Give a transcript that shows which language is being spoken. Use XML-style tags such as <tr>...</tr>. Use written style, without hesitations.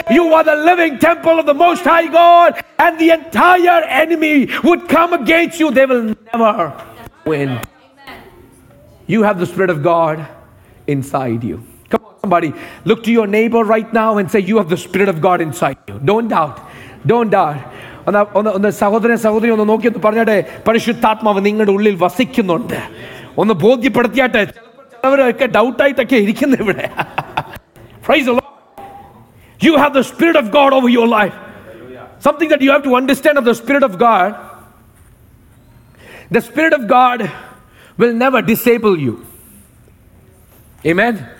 <en>You are the living temple of the Most High God, and the entire enemy would come against you, they will never win. You have the Spirit of God inside you. Come on, somebody, look to your neighbor right now and say, "You have the Spirit of God inside you." Don't doubt. Don't doubt.</en> <ml>ഒന്ന് സഹോദരൻ സഹോദരി ഒന്ന് നോക്കി ഒന്ന് പറഞ്ഞാട്ടെ, പരിശുദ്ധാത്മാവ് നിങ്ങളുടെ ഉള്ളിൽ വസിക്കുന്നുണ്ട്. ഒന്ന് ബോധ്യപ്പെടുത്തിയാട്ടെ.</ml> <en>Praise the Lord. You have the Spirit of God over your life. Something that you have to understand of the Spirit of God. The Spirit of God will never disable you. Amen.</en>